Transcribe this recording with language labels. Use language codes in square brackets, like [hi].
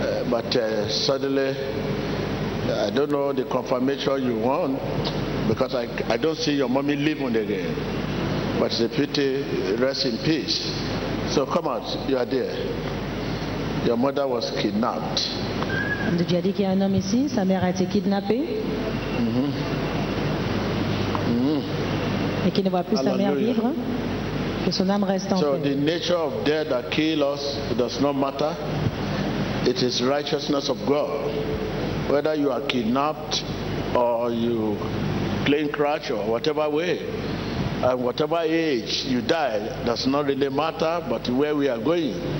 [en] But suddenly, I don't know the confirmation you want, because I don't see your mommy living again. But it's a pity, rest in peace. So come out, you are there. Your mother was kidnapped. [fr] Tu as dit qu'il y a un homme ici, sa mère a été kidnappée. Mm-hmm. Mm-hmm. Et qu'il ne voit plus [en] Hallelujah. [fr] Sa mère vivre, que son âme reste en [en] so [fr] paix. [en] So the nature of death that kills us does not matter. It is righteousness of God. Whether you are kidnapped or you plane crash or whatever way, and whatever age you die, does not really matter, but where we are going.